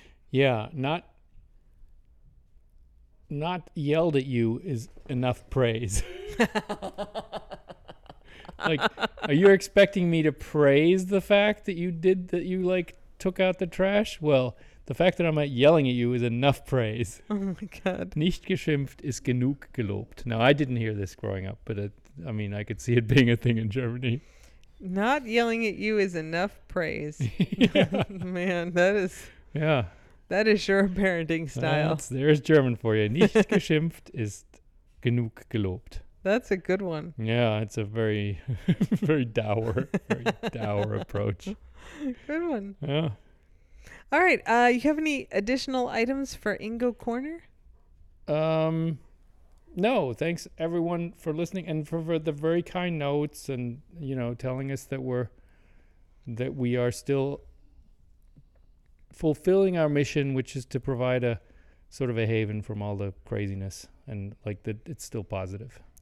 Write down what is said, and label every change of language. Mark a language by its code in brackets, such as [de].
[en] Yeah, not yelled at you is enough praise. Like, are you expecting me to praise the fact that you did, that you like, took out the trash? Well, the fact that I'm not yelling at you is enough praise. Oh my God. [de] Nicht geschimpft ist genug gelobt. [en] Now, I didn't hear this growing up, but I could see it being a thing in Germany. Not yelling at you is enough praise. Man, that is your parenting style. There's German for you. [de] Nicht geschimpft ist genug gelobt. [en] That's a good one. Yeah, it's a very, very dour approach. Good one. Yeah. All right. You have any additional items for Ingo Corner? No. Thanks everyone for listening and for the very kind notes and, you know, telling us that we are still fulfilling our mission, which is to provide a sort of a haven from all the craziness and like that it's still positive.